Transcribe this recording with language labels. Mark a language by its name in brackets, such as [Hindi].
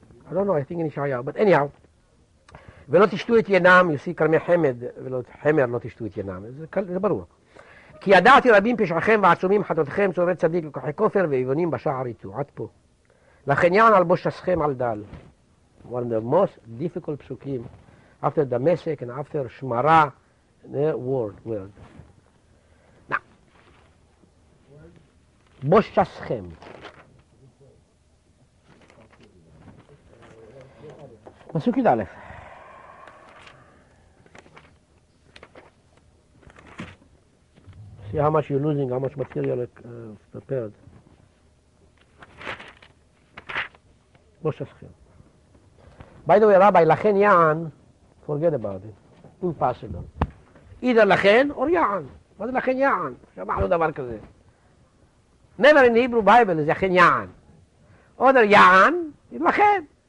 [English] I don't know, I think in Ishaiah, but anyhow. [Hebrew] ולא תשתו את ינם, [English] you see, [Hebrew] כרמי חמד, ולא חמר לא תשתו את ינם, זה ברור. כי ידעתי רבים פשעכם ועצומים חטאותכם, צורי צדיק לקוחי כופר ואבונים בשער איתו, עד פה. לכן יען על בושסכם על דל. [English] One of the most difficult פסוקים, after Damascus and after שמרה, the word, word. Now, בושסכם. [Hebrew] פסוק י"א. [English] See how much you're losing, how much material prepared. בושסכם. By the way, Rabbi, לכן יען, forget about it. Impossible. [Hebrew] Either לכן or יען. מה זה לכן יען? שמענו דבר כזה. [English] Never in the Hebrew Bible is לכן יען. Other יען, לכן.